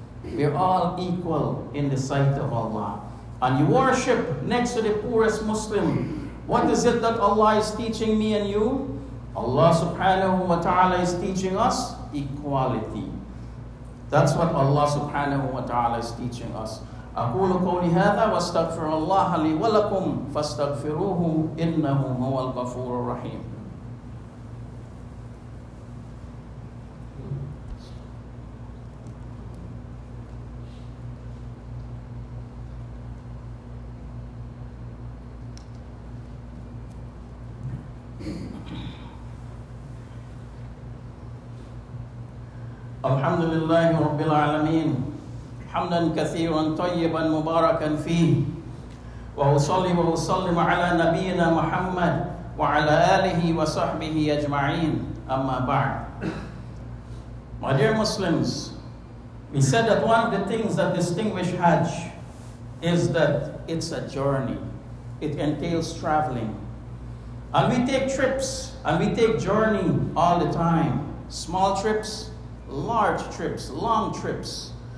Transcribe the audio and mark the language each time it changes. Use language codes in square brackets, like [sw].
[en] We're all equal in the sight of Allah. And you worship next to the poorest Muslim. What is it that Allah is teaching me and you? Allah subhanahu wa ta'ala is teaching us equality. That's what Allah subhanahu wa ta'ala is teaching us. [ar] أقول قولي هذا واستغفر الله لي ولكم فاستغفروه إنه هو الغفور الرحيم. الحمد لله رب العالمين. حمدا كثيرا طيبا مباركا فيه. وأصلي وأسلم على نبينا محمد وعلى آله وصحبه أجمعين. أما بعد. [en] My dear Muslims, we said that one of the things that distinguish Hajj is that it's a journey. It entails traveling. And we take trips and we take journey all the time. Small trips, large trips, long trips.